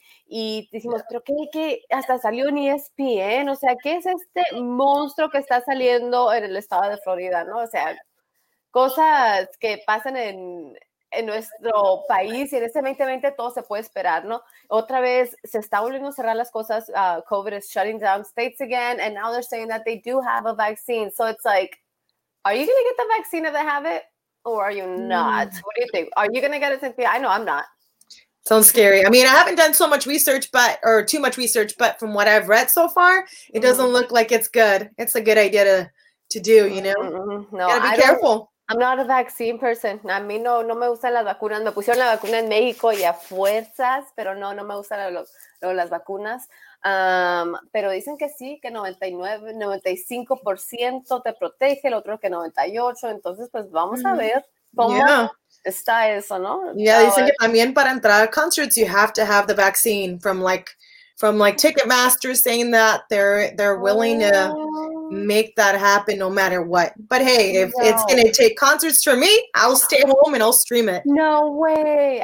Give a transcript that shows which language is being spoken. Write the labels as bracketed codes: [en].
[es] Y dijimos, pero ¿qué? Hasta salió un ESPN. O sea, ¿qué es este monstruo que está saliendo en el estado de Florida, no? O sea, cosas que pasan en nuestro país. Y en este 2020 todo se puede esperar, ¿no? Otra vez se está volviendo a cerrar las cosas. [en] COVID is shutting down states again. And now they're saying that they do have a vaccine. So it's like, are you going to get the vaccine if they have it, or are you not? What do you think? Are you going to get it? I know I'm not. Sounds scary. I mean, I haven't done so much research, but from what I've read so far, it doesn't look like it's good. It's a good idea to do, you know? No, gotta be careful. I'm not a vaccine person. [es] A mí no me gustan las vacunas. Me pusieron la vacuna en México y a fuerzas, pero no me gustan las vacunas. Pero dicen que sí, que 95% te protege, el otro que 98%, entonces pues vamos a ver cómo está eso, ¿no? [en] Yeah, [es] dicen que también para entrar a [en] concerts you have to have the vaccine from Ticketmaster saying that they're willing to make that happen no matter what. But hey, if it's going to take concerts for me, I'll stay home and I'll stream it. No way.